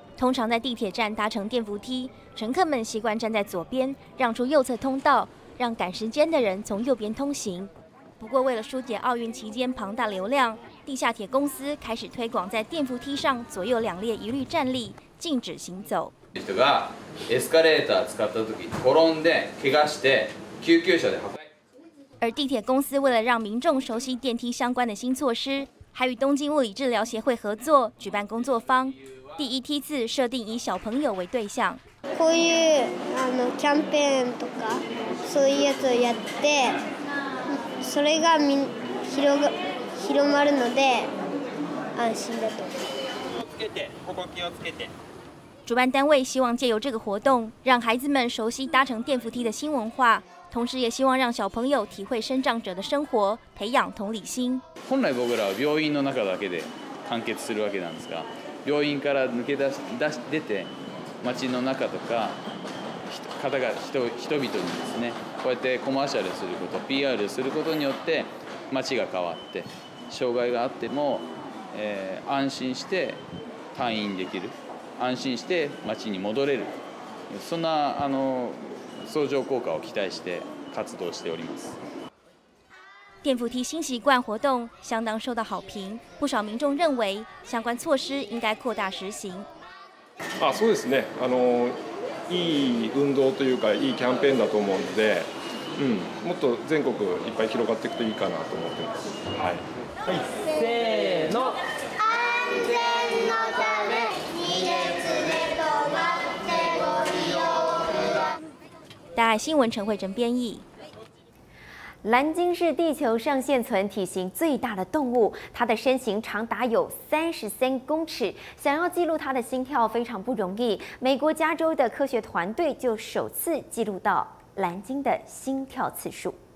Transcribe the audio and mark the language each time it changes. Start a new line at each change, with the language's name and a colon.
Chinese: 通常在地铁站搭乘电扶梯，乘客们习惯站在左边，让出右侧通道，让赶时间的人从右边通行。不过，为了疏解奥运期间庞大流量，地下铁公司开始推广在电扶梯上左右两列一律站立，禁止行走。
Japanese: 人がエスカレーター使った時転んで怪我して救急車で運ばれ。
Chinese: 而地铁公司为了让民众熟悉电梯相关的新措施，还与东京物理治疗协会合作举办工作坊。第一梯次设定以小朋友为对象。
Japanese: こういうキャンペーンとかそういうやつをやって、それが広まるので安心だと。ここ気をつけて。
Chinese: 主办单位希望借由这个活动，让孩子们熟悉搭乘电扶梯的新文化，同时也希望让小朋友体会生长者的生活，培养同理心。
Japanese: 本来僕らは病院の中だけで完結するわけなんですが、病院から抜け出て街の中とか方が 人々にですね、こうやってコマーシャルすること、PR することによって街が変わって、障害があっても、安心して退院できる、安心して街に戻れる、そんな相乗効果を期待して活動しております。
Chinese: 电扶梯新习惯活动相当受到好评，不少民众认为相关措施应该扩大实行。
Japanese: あ、そうですね。いい運動というかいいキャンペーンだと思うので、うん、もっと全国いっぱい広がっていくといいかなと思ってます。はい。はい、せーの。安全のため2列で止まってご利用ください。
Chinese: 大爱新闻陈慧珍编译。蓝鲸是地球上现存体型最大的动物，它的身形长达有33公尺，想要记录它的心跳非常不容易。美国加州的科学团队就首次记录到蓝鲸的心跳次数。